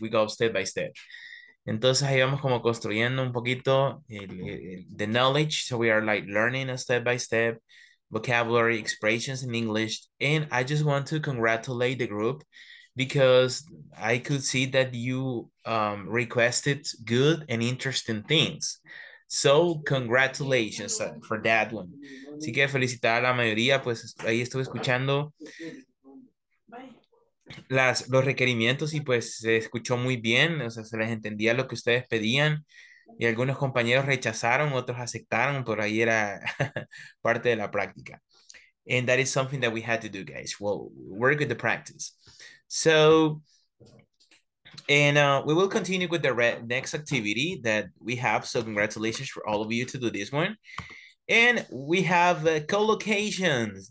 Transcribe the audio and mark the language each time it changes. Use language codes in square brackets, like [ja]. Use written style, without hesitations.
[en] We go step by step. [es] Entonces ahí vamos como construyendo un poquito [en] the knowledge. So we are like learning a step by step vocabulary expressions in English. And I just want to congratulate the group because I could see that you requested good and interesting things. So congratulations for that one. [es] Así que felicitar a la mayoría, pues ahí estuve escuchando los requerimientos y pues se escuchó muy bien, o sea, se les entendía lo que ustedes pedían y algunos compañeros rechazaron, otros aceptaron, por ahí era parte de la práctica. [en] And that is something that we had to do, guys. Well, work with the practice. So, and we will continue with the next activity that we have. So congratulations for all of you to do this one. And we have collocations.